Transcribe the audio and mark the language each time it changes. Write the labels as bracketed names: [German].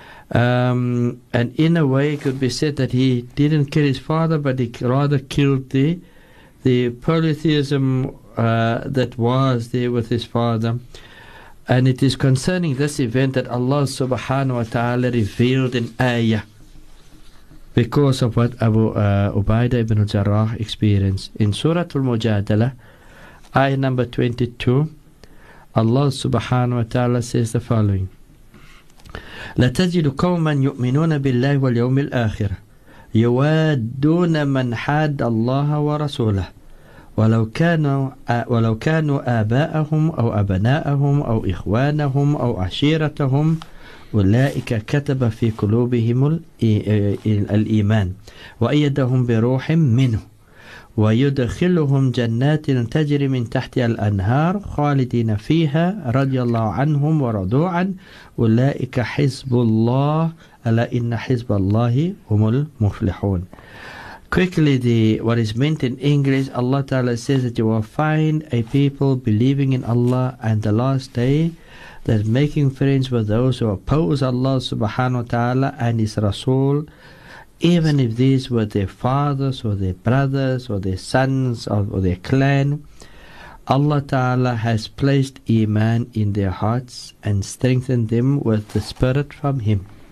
[English] And in a way, it could be said that he didn't kill his father, but he rather killed the polytheism that was there with his father. And it is concerning this event that Allah subhanahu wa ta'ala revealed in ayah because of what Abu Ubaidah ibn Jarrah experienced. In Surah Al-Mujadala, ayah number 22, Allah subhanahu wa ta'ala says the following, [Arabic] لَتَجِدُ قَوْمًا يُؤْمِنُونَ بِاللَّهِ وَالْيَوْمِ الْآخِرِ يُوَادُّونَ مَنْ حَادَ اللَّهَ وَرَسُولَهُ ولو كانوا آباءهم أو أبناءهم أو إخوانهم أو عشيرتهم أولئك كتب في قلوبهم الإيمان وأيدهم بروح منه ويدخلهم جنات تجري من تحتها الأنهار خالدين فيها رضي الله عنهم ورضوا عنه أولئك حزب الله ألا إن حزب الله هم المفلحون. [English] Quickly, what is meant in English, Allah Ta'ala says that you will find a people believing in Allah and the last day, that making friends with those who oppose Allah subhanahu wa ta'ala and His Rasul, even if these were their fathers or their brothers or their sons or their clan, Allah Ta'ala has placed Iman in their hearts and strengthened them with the spirit from Him.